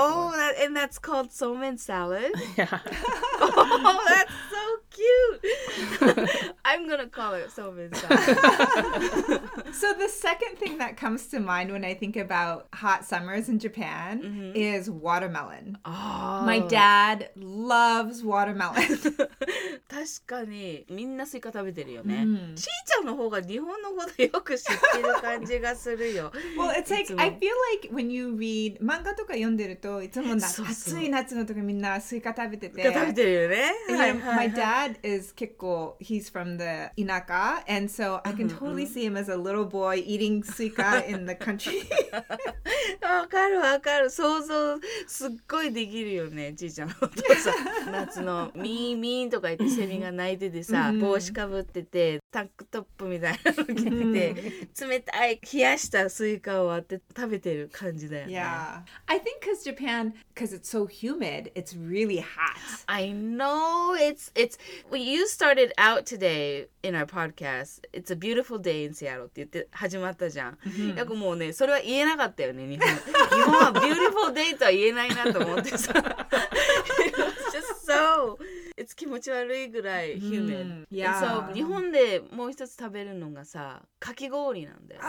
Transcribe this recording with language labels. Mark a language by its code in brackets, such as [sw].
[en] Oh, that, and that's called somen salad? Yeah. Oh, that's so cute! I'm gonna call it somen salad. So the second thing that comes to mind when I think about hot summers in Japan mm-hmm. is watermelon. Oh. My dad loves watermelon. [ja] 確かにみんなスイカ食べてるよね。ちーちゃんの方が日本のことよく知ってる感じがするよ。 [en] Well, it's like, I feel like when you read [ja] 漫画とか読んでるといつも暑い夏の時みんなスイカ食べてて。食べてるよね。 [en] My dad is 結構 he's from the 田舎 and so I can totally see him as a little boy eating スイカ in the country. [ja] わかるわかる。想像すっごいできるよね、ちーちゃんのお父さん。夏のミーミーとか言ってセミが鳴いててさ、mm-hmm. 帽子かぶっててタンクトップみたいなの着てて、mm-hmm. 冷たい冷やしたスイカを割って食べてる感じだよね。 [en] Yeah. I think because Japan, because it's so humid, it's really hot. I know. It's well, you started out today in our podcast. It's a beautiful day in Seattle [ja] って言って始まったじゃん。 [en] Mm-hmm. [ja] やっぱもうね、それは言えなかったよね、日本。日本は beautiful day とは言えないなと思ってさ。 [en] It's just so... It's [ja] 気持ち悪いぐらい [en] humid. Mm, yeah. [ja] So, 日本でもう一つ食べるのがさ、かき氷なんだよね。